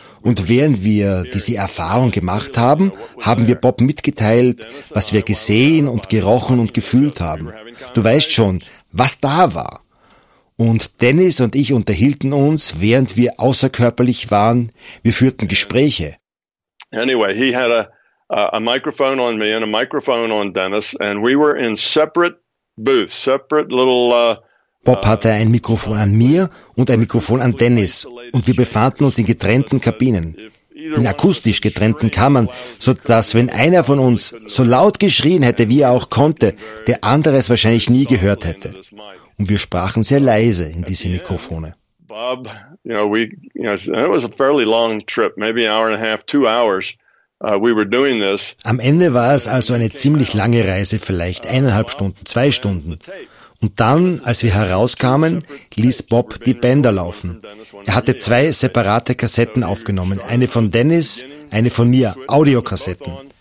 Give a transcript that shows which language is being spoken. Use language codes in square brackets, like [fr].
[de] Und während wir diese Erfahrung gemacht haben, haben wir Bob mitgeteilt, was wir gesehen und gerochen und gefühlt haben. Du weißt schon, was da war. Und Dennis und ich unterhielten uns, während wir außerkörperlich waren. Wir führten Gespräche. [en] Anyway, he had a microphone on me and a microphone on Dennis, and we were in separate booths, separate little. [de] Bob hatte ein Mikrofon an mir und ein Mikrofon an Dennis, und wir befanden uns in getrennten Kabinen, in akustisch getrennten Kammern, so dass, wenn einer von uns so laut geschrien hätte, wie er auch konnte, der andere es wahrscheinlich nie gehört hätte. Und wir sprachen sehr leise in diese Mikrofone. [en] Bob, you know, it was a fairly long trip, maybe an hour and a half, 2 hours. We were doing this. [de] Am Ende war es also eine ziemlich lange Reise, vielleicht 1,5 Stunden, 2 Stunden. Und dann, als wir herauskamen, ließ Bob die Bänder laufen. Er hatte 2 separate Kassetten aufgenommen, eine von Dennis, eine von mir, Audiokassetten.